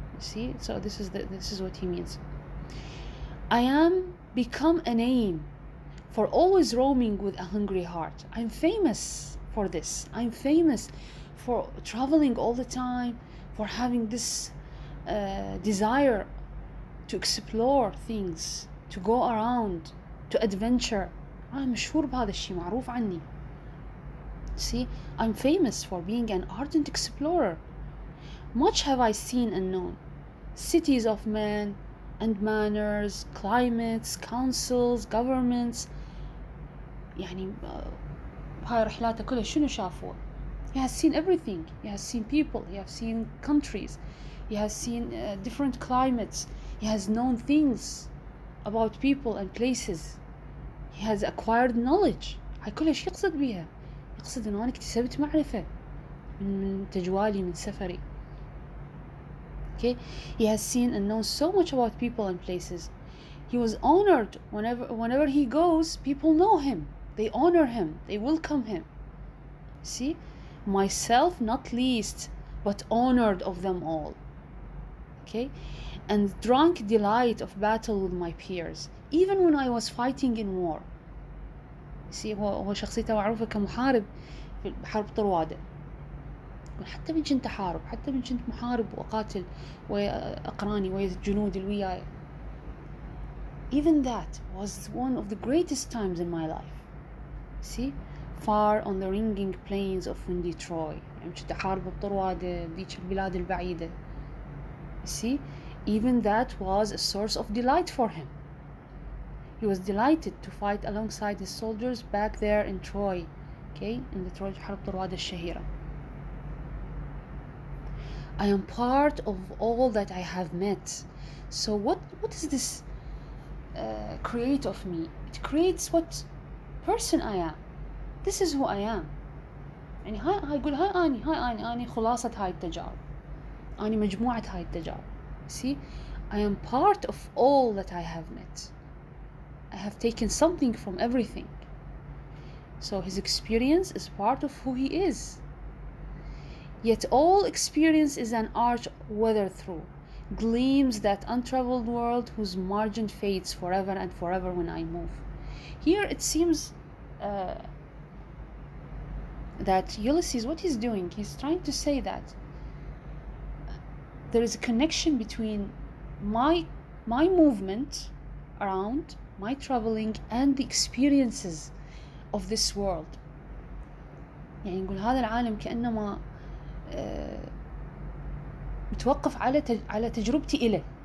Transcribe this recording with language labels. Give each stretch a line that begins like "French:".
English: You see, so this is what he means. I am become a name for always roaming with a hungry heart. I'm famous for this. I'm famous for traveling all the time, for having this desire to explore things, to go around, to adventure. I'm sure
Arabic: بهذا الشيء، معروف عني.
English: See, I'm famous for being an ardent explorer. Much have I seen and known, cities of men and manners, climates, councils, governments.
Arabic: يعني هاي رحلاته كلها شنو شافوه.
English: He has seen everything. He has seen people. He has seen countries. He has seen different climates. He has known things about people and places. He has acquired knowledge.
Arabic: هاي كلها شو يقصد بيها؟ يقصد إنه أنا اكتسبت معرفة من تجوالي، من سفري.
English: Okay. He has seen and known so much about people and places. He was honored whenever he goes. People know him. They honor him. They welcome him. See, myself not least, but honored of them all. Okay, and drank delight of battle with my peers, even when I was fighting in war.
Arabic: See, هو شخصيته معروفة كمحارب في حرب طروادة. حتى من كنت حارب، حتى من كنت محارب وقاتل وأقراني وجنود الوياي.
English: Even that was one of the greatest times in my life. See, far on the ringing plains of windy Troy.
Arabic: يعني كنت حارب بطروادة ديك البلاد البعيدة.
English: See, even that was a source of delight for him. He was delighted to fight alongside his soldiers back there in Troy. Okay, in the Troy
Arabic: حرب طروادة الشهيرة.
English: I am part of all that I have met. So what does this create of me? It creates what person I am. This is who I am.
Arabic: يعني هاي يقول هاي أني خلاصة هاي التجارب. أني مجموعة هاي التجارب.
English: See, I am part of all that I have met. I have taken something from everything. So his experience is part of who he is. Yet all experience is an arch weathered through, gleams that untraveled world whose margin fades forever and forever when I move. Here it seems that Ulysses, what he's doing, he's trying to say that there is a connection between my movement around, my traveling, and the experiences of this world.
Arabic: يعني يقول هذا العالم كأنما متوقف على تجربتي إله.